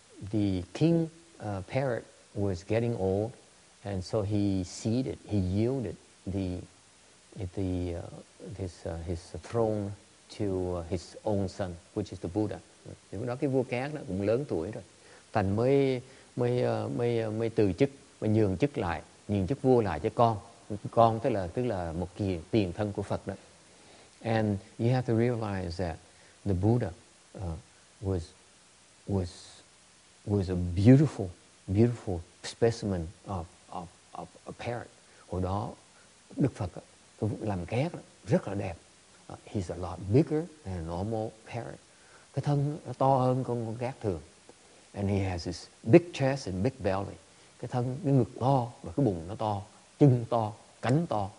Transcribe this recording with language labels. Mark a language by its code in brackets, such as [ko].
[en] The king parrot was getting old, and so he yielded his throne to his own son, which is the Buddha. [vi] Lúc đó cái vua két đó cũng lớn tuổi rồi, thành mới từ chức, mới nhường chức vua lại cho con, tức là một kỳ tiền thân của Phật đó. [en] And you have to realize that the Buddha was a beautiful specimen of a parrot. [vi] Hồi đó Đức Phật làm két rất là đẹp. [en] He's a lot bigger than a normal parrot. [vi] Cái thân nó to hơn con két thường. [en] And he has this big chest and big belly. [vi] Cái thân, cái ngực to và cái bụng nó to, chân to, cánh to.